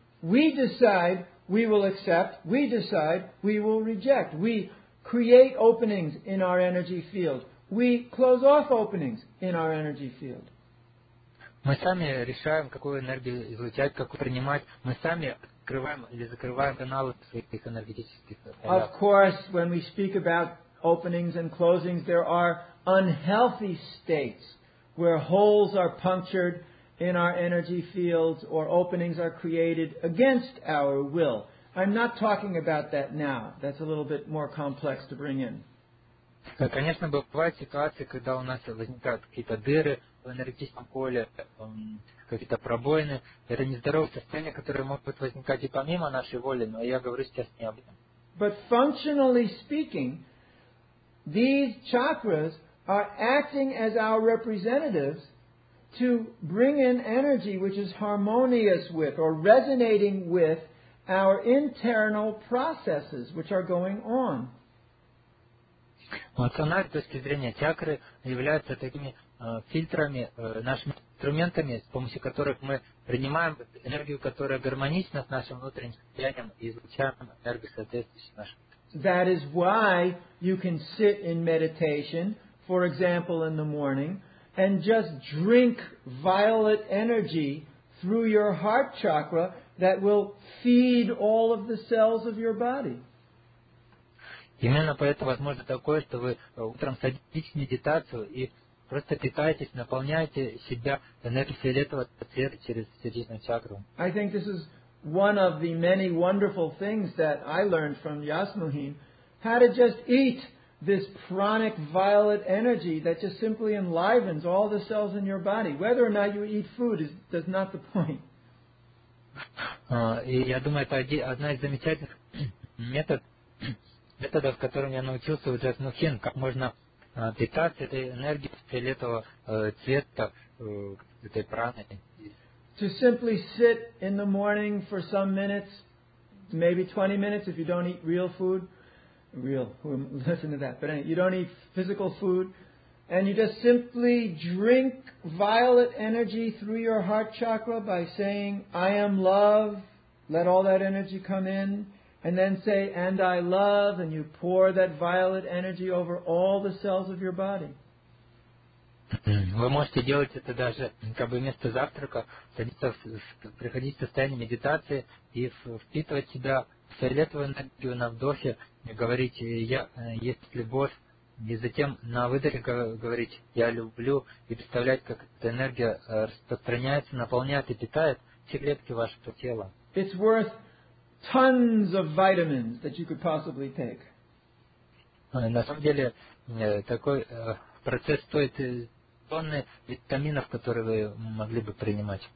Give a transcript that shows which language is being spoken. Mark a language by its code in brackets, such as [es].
[en] We decide we will accept. We decide we will reject. We create openings in our energy field. We close off openings in our energy field. [ru] Мы сами решаем, какую энергию излучать, какую принимать. Мы сами открываем или закрываем каналы своих энергетических. [en] Of course, when we speak about openings and closings, there are unhealthy states where holes are punctured in our energy fields or openings are created against our will. I'm not talking about that now. That's a little bit more complex to bring in. [ru] Конечно, бывают ситуации, когда у нас возникают какие-то дыры в энергетическом поле, какие-то пробоины. Это нездоровое состояние, которое может возникать и помимо нашей воли, но я говорю сейчас не об этом. [en] But functionally speaking, these chakras are acting as our representatives to bring in energy which is harmonious with or resonating with our internal processes which are going on. [ru] Функциональные точки зрения чакры являются такими фильтрами, нашими инструментами, с помощью которых мы принимаем энергию, которая гармонична с нашим внутренним состоянием и излучаем энергию, соответствующую нашему. [en] That is why you can sit in meditation, for example, in the morning, and just drink violet energy through your heart chakra that will feed all of the cells of your body. [ru] Именно поэтому возможно такое, что вы утром садитесь в медитацию и просто питаетесь, наполняете себя энергией фиолетового цвета через сердечную чакру. [en] I think this is one of the many wonderful things that I learned from Yasmuheen, how to just eat this pranic violet energy that just simply enlivens all the cells in your body. Whether or not you eat food is does not the point. [ru] И я думаю, это одна из замечательных методов, которым я научился у Yasmuheen, как можно питаться этой энергией фиолетового цвета, этой праны. [en] To simply sit in the morning for some minutes, maybe 20 minutes if you don't eat real food. Real, listen to that. But anyway, you don't eat physical food. And you just simply drink violet energy through your heart chakra by saying, I am love. Let all that energy come in. And then say, and I love. And you pour that violet energy over all the cells of your body. [ru] Вы можете делать это даже как бы вместо завтрака, садиться, приходить в состояние медитации и впитывать в себя фиолетовую энергию на вдохе и говорить «Я есть любовь», и затем на выдохе говорить «Я люблю» и представлять, как эта энергия распространяется, наполняет и питает все клетки вашего тела. [en] It's worth tons of vitamins that you could possibly take. [ru] На самом деле, такой процесс стоит витаминов, которые вы могли бы принимать.